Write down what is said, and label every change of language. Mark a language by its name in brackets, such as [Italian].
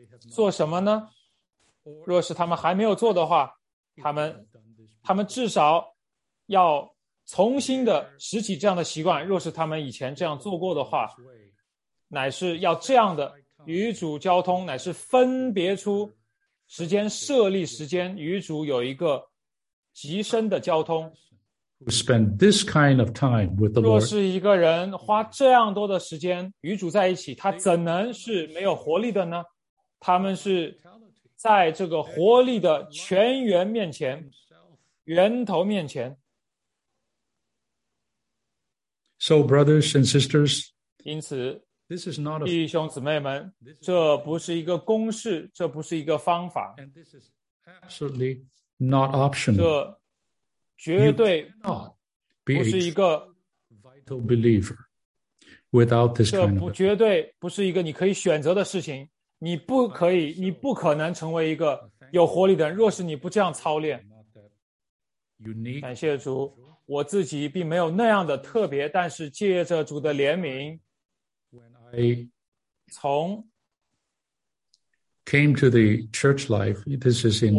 [Chinese] 做什么呢？若是他们还没有做的话，他们至少要重新的拾起这样的习惯。若是他们以前这样做过的话，乃是要这样的与主交通，乃是分别出时间，设立时间与主有一个极深的交通。 [English] Who spend this kind of time with the Lord? [Chinese] 若是一个人花这样多的时间与主在一起，他怎能是没有活力的呢？他们是在这个活力的泉源面前，源头面前。 [English] So, brothers and sisters, [Chinese] 因此 [English] this is not a, [Chinese] 弟兄姊妹们，这不是一个公式，这不是一个方法。 [English] And this is absolutely not optional. [Chinese] 绝对不是一个 [English] vital believer without this kind of. [Chinese] 这绝对不是一个你可以选择的事情。你不可以，你不可能成为一个有活力的人，若是你不这样操练。感谢主，我自己并没有那样的特别，但是借着主的怜悯，从 [English] came to the church life, this is in my